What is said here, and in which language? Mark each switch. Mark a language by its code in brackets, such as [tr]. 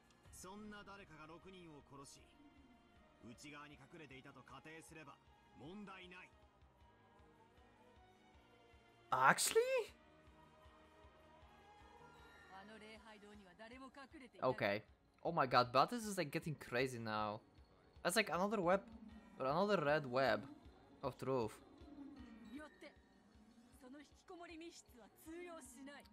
[ja] そんな誰かが6人を殺し、内側に隠れていたと仮定すれば問題ない。 [en] Actually? [ja] あの礼拝堂には誰も隠れていない。 [en] Okay. Oh my god, but this is like getting crazy now. That's like another web, but another red web of truth. [ja] よって、その引きこもり密室は通用しない。